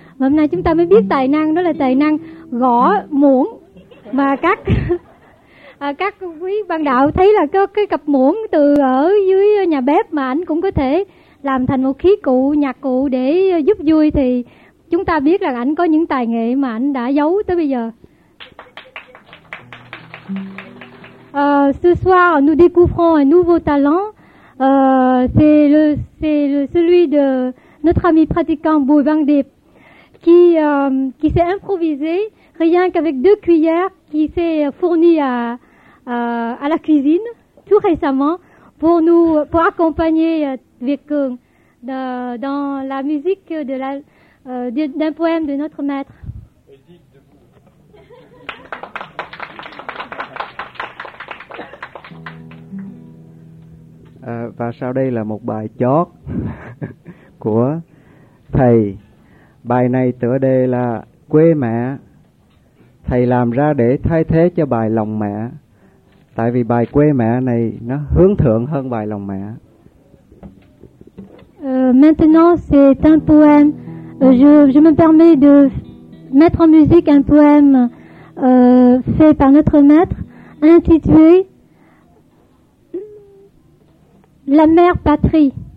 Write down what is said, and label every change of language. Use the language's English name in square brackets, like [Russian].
[Vietnamese] Và hôm nay chúng ta mới biết tài năng, đó là tài năng gõ muỗng mà các các quý ban đạo thấy là có cái cặp muỗng từ ở dưới nhà bếp mà anh cũng có thể làm thành một khí cụ, nhạc cụ để giúp vui. Thì chúng ta biết là anh có những tài nghệ mà anh đã giấu tới bây giờ. [French] Ce soir, nous découvrons un nouveau talent. C'est celui de notre ami pratiquant Bùi Văn Điệp qui s'est improvisé rien qu'avec deux cuillères qui s'est fournie à la cuisine tout récemment pour accompagner Vietcong dans la musique de la d'un poème de notre maître. [Vietnamese] Và sau đây là một bài chót của thầy. Bài này tựa đề là Quê Mẹ. Thầy làm ra để thay thế cho bài Lòng Mẹ, tại vì bài Quê Mẹ này nó hướng thượng hơn bài Lòng Mẹ. [French] Maintenant c'est un poème. Je me permets de mettre en musique un poème fait par notre maître intitulé La mère patrie.